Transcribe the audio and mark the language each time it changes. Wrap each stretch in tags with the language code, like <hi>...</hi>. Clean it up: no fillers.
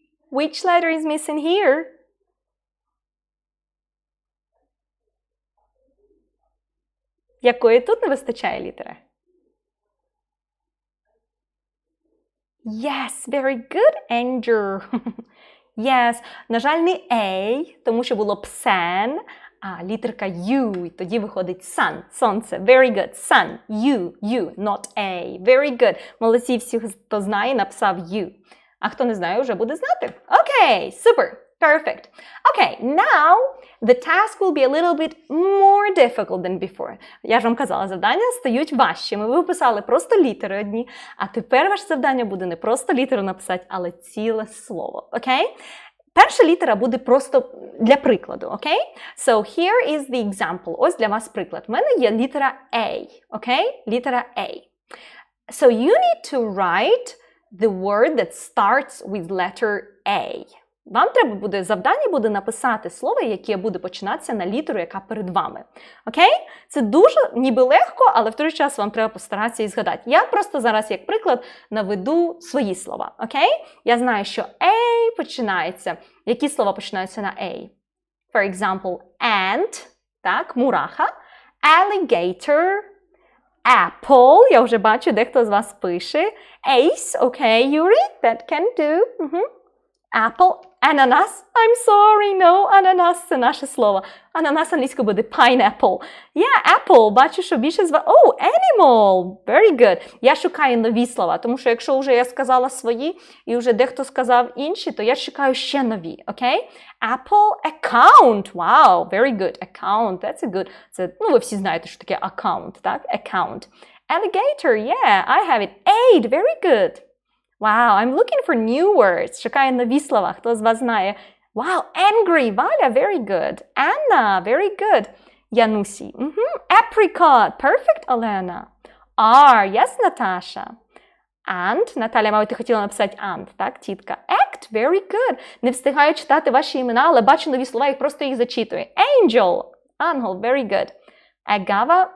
<en>Which letter is missing here?</en> <uk>Якої тут не вистачає літери?</uk> <en>Yes, very good, Andrew.</en> <uk>Yes, на жаль, не A, тому що було PSAN. А, літерка U, і тоді виходить sun, сонце.</uk> <en>Very good, sun, U, U, not A. Very good.</en> <uk>Молодці, всі, хто знає, написав U. А хто не знає, вже буде знати.</uk> <en>Okay, super, perfect. Okay, now the task will be a little bit more difficult than before.</en> <uk>Я ж вам казала, завдання стають важчими. Ви писали просто літери одні, а тепер ваше завдання буде не просто літеру написати, але ціле слово.</uk> <en>Okay?</en> <uk>Перша літера буде просто для прикладу, окей? Okay?</uk> <en>So, here is the example.</en> <uk>Ось для вас приклад. У мене є літера A, окей? Okay? Літера A.</uk> <en>So, you need to write the word that starts with letter A.</en> <uk>Вам треба буде, завдання буде написати слово, яке буде починатися на літеру, яка перед вами. Окей? Okay? Це дуже ніби легко, але в той час вам треба постаратися і згадати. Я просто зараз, як приклад, наведу свої слова. Окей? Okay? Я знаю, що A починається. Які слова починаються на A? For example, ant, так, мураха, alligator, apple, я вже бачу, дехто з вас пише, ace, окей, okay, Юрій,</uk> <en>that can do,</en> <uk>Apple, ананас.</uk> <en>I'm sorry, no,</en> <uk>ананас – це наше слово. Ананас англійською буде pineapple.</uk> <en>Yeah, apple,</en> <uk>бачу, що більше зва...</uk> <en>Oh, animal, very good.</en> <uk>Я шукаю нові слова, тому що якщо вже я сказала свої, і вже дехто сказав інші, то я шукаю ще нові, окей?</uk> <en>Okay? Apple, account, wow, very good, account, that's a good...</en> <uk>Це, ну, ви всі знаєте, що таке account, так? Account.</uk> <en>Alligator, yeah, I have it. Eight, very good. Wow, I'm looking for new words.</en> <uk>Шукаю нові слова. Хто з вас знає?</uk> <en>Wow, angry. Валя, very good. Anna, very good. Янусі. Mm-hmm. Apricot. Perfect, Олена. R. Yes, Наташа. And.</en> <uk>Наталя, мабуть, ти хотіла написати and, так, тітка?</uk> <en>Act. Very good.</en> <uk>Не встигаю читати ваші імена, але бачу нові слова, їх просто їх зачитую.</uk> <en>Angel. Angel. Very good. Agava.</en>